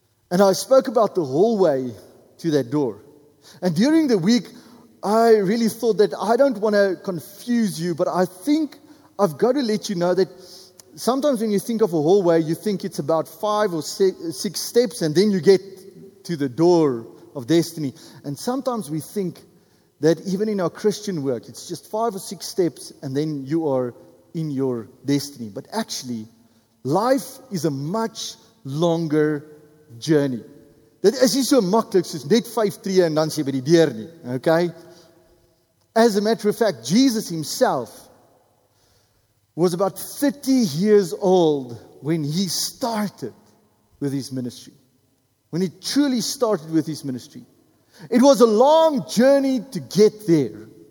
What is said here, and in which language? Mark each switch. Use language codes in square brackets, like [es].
[en] And I spoke about the hallway to that door. And during the week, I really thought that I don't want to confuse you, but I think I've got to let you know that sometimes when you think of a hallway, you think it's about 5 or 6 steps and then you get to the door of destiny. And sometimes we think that even in our Christian work, it's just 5 or 6 steps and then you are in your destiny. But actually, life is a much longer journey. [af] Dit is nie so maklik soos net 5 tree en dan sê by die deur nie. [en] Okay? As a matter of fact, Jesus himself was about 30 years old when he started with his ministry. When he truly started with his ministry. It was a long journey to get there.